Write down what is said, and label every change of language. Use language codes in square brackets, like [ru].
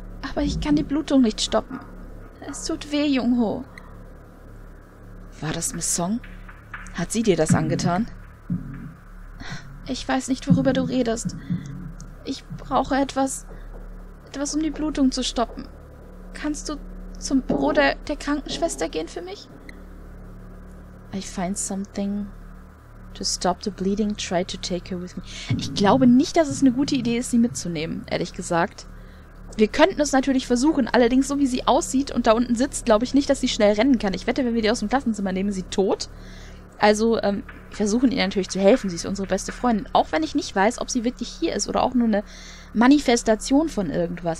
[de] Aber ich kann die Blutung nicht stoppen. Es tut weh, Jungho. War das Miss Song? Hat sie dir das angetan? Ich weiß nicht, worüber du redest. Ich brauche etwas, um die Blutung zu stoppen. Kannst du zum Büro der Krankenschwester gehen für mich? [en] I find something to stop the bleeding, try to take her with me. [de] Ich glaube nicht, dass es eine gute Idee ist, sie mitzunehmen, ehrlich gesagt. Wir könnten es natürlich versuchen, allerdings so wie sie aussieht und da unten sitzt, glaube ich nicht, dass sie schnell rennen kann. Ich wette, wenn wir die aus dem Klassenzimmer nehmen, ist sie tot. Also, wir versuchen ihr natürlich zu helfen, sie ist unsere beste Freundin. Auch wenn ich nicht weiß, ob sie wirklich hier ist oder auch nur eine Manifestation von irgendwas.